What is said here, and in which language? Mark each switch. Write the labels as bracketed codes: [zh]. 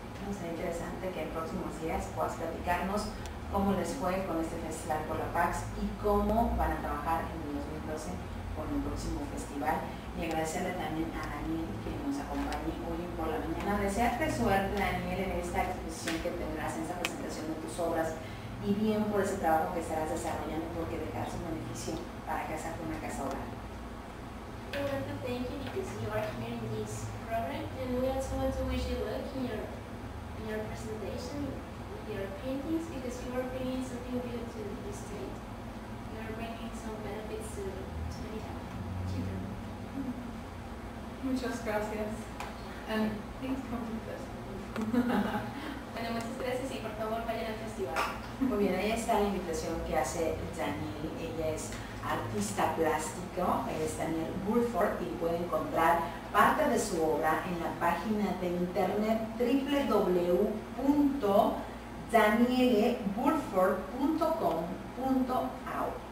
[es] No, sería interesante que en próximos días puedas platicarnos cómo les fue con este festival por la Pax y cómo van a trabajar en el 2012 con el próximo festival. Y agradecerle también a Daniel que nos acompañe hoy por la mañana. Desearte suerte, Daniel, en esta exposición que tendrás, en esta presentación de tus obras, y bien por ese trabajo que estarás desarrollando, porque dejarás un beneficio para casa con una casa hogar. [en] I want to thank you because you are here in this program, and we also want to wish you luck in your presentation, your paintings, because you are bringing something good to the state. You are bringing some benefits to the children. [es] Muchas gracias. [en] And please come to this. [es] Bueno, muchas gracias y por favor vayan al festival. Muy bien, ahí está la invitación que hace Daniel. Ella es artista plástico, es Daniel Burford, y puede encontrar parte de su obra en la página de internet www.danieleburford.com.au.